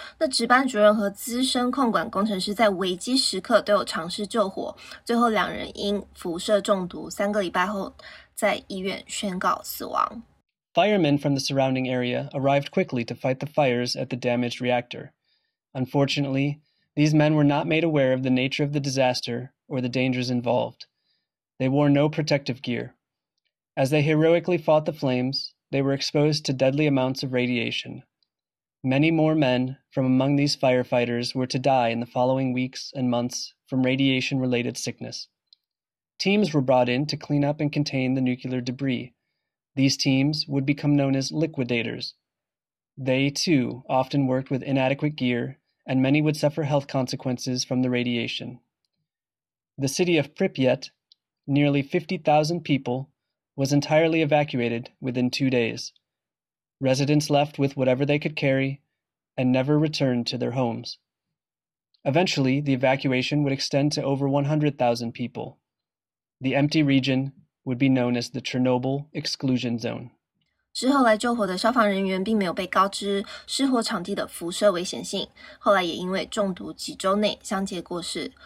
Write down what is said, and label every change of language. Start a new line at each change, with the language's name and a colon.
Chinese: 那值班主任和资深控管工程师在危机时刻都有尝试救火，最后两人因辐射中毒，三个礼拜后在医院宣告死亡。
English: Firemen from the surrounding area arrived quickly to fight the fires at the damaged reactor. Unfortunately,These men were not made aware of the nature of the disaster or the dangers involved. They wore no protective gear. As they heroically fought the flames, they were exposed to deadly amounts of radiation. Many more men from among these firefighters were to die in the following weeks and months from radiation-related sickness. Teams were brought in to clean up and contain the nuclear debris. These teams would become known as liquidators. They, too, often worked with inadequate gear,and many would suffer health consequences from the radiation. The city of Pripyat, nearly 50,000 people, was entirely evacuated within 2 days. Residents left with whatever they could carry and never returned to their homes. Eventually, the evacuation would extend to over 100,000 people. The empty region would be known as the Chernobyl Exclusion Zone.
Chinese: 之后来救火的消防人员并没有被告知失火场地的辐射危险性，后来也因为中毒几周内相继过世。